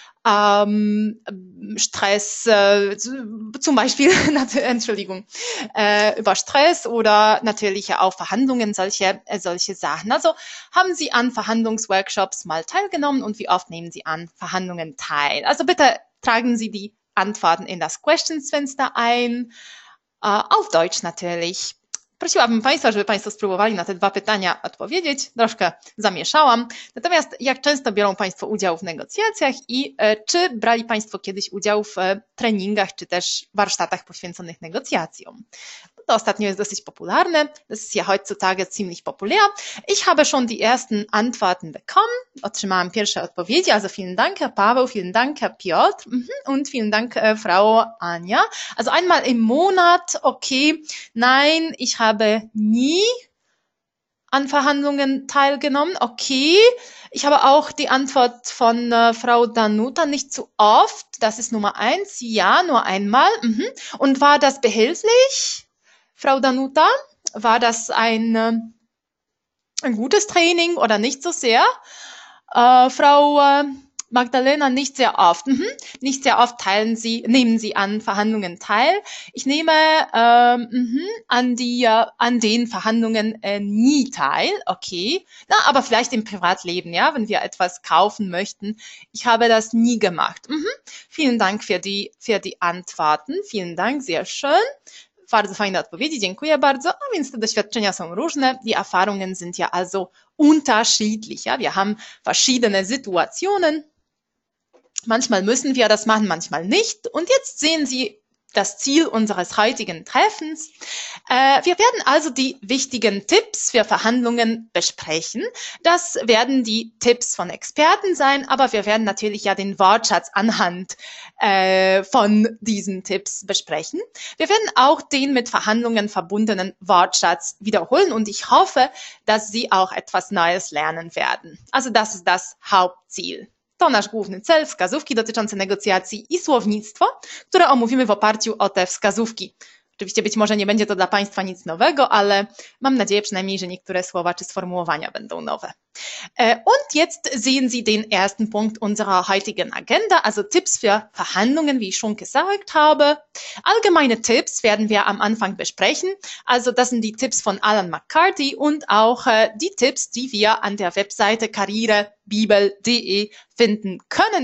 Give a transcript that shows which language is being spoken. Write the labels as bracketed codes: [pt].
[de] Stress, zum Beispiel, Entschuldigung, über Stress oder natürlich auch Verhandlungen, solche Sachen. Also haben Sie an Verhandlungsworkshops mal teilgenommen und wie oft nehmen Sie an Verhandlungen teil? Also bitte tragen Sie die Antworten in das Questions-Fenster ein, auf Deutsch natürlich. [pl] Prosiłabym Państwa, żeby Państwo spróbowali na te dwa pytania odpowiedzieć. Troszkę zamieszałam. Natomiast jak często biorą Państwo udział w negocjacjach i czy brali Państwo kiedyś udział w treningach czy też warsztatach poświęconych negocjacjom? To ostatnio jest dosyć popularne. [de] Das ist ja heutzutage ziemlich populär. Ich habe schon die ersten Antworten bekommen. [pl] Otrzymałam pierwsze odpowiedzi. [de] Also vielen Dank, Herr Paweł, vielen Dank, Herr Piotr und vielen Dank, Frau Anja. Also einmal im Monat, okay. Nein, ich habe nie an Verhandlungen teilgenommen, okay. Ich habe auch die Antwort von Frau Danuta nicht zu oft. Das ist Nummer eins. Ja, nur einmal. Und war das behilflich? Frau Danuta, war das ein gutes Training oder nicht so sehr? Frau Magdalena, nicht sehr oft. Nicht sehr oft nehmen Sie an Verhandlungen teil. Ich nehme an den Verhandlungen nie teil. Okay. Na, aber vielleicht im Privatleben, ja, wenn wir etwas kaufen möchten. Ich habe das nie gemacht. Vielen Dank für die Antworten. Vielen Dank, sehr schön. [pl] Bardzo fajne odpowiedzi, dziękuję bardzo. A więc te doświadczenia są różne. [de] Die Erfahrungen sind ja also unterschiedlich. Ja? Wir haben verschiedene Situationen. Manchmal müssen wir das machen, manchmal nicht. Und jetzt sehen Sie das Ziel unseres heutigen Treffens. Wir werden also die wichtigen Tipps für Verhandlungen besprechen. Das werden die Tipps von Experten sein, aber wir werden natürlich ja den Wortschatz anhand von diesen Tipps besprechen. Wir werden auch den mit Verhandlungen verbundenen Wortschatz wiederholen und ich hoffe, dass Sie auch etwas Neues lernen werden. Also das ist das Hauptziel. [pl] To nasz główny cel, wskazówki dotyczące negocjacji i słownictwo, które omówimy w oparciu o te wskazówki. Oczywiście być może nie będzie to dla Państwa nic nowego, ale mam nadzieję przynajmniej, że niektóre słowa czy sformułowania będą nowe. [de] Und jetzt sehen Sie den ersten Punkt unserer heutigen Agenda, also Tipps für Verhandlungen, wie ich schon gesagt habe. Allgemeine Tipps werden wir am Anfang besprechen. Also das sind die Tipps von Alan McCarthy und auch die Tipps, die wir an der Webseite karrierebibel.de finden können.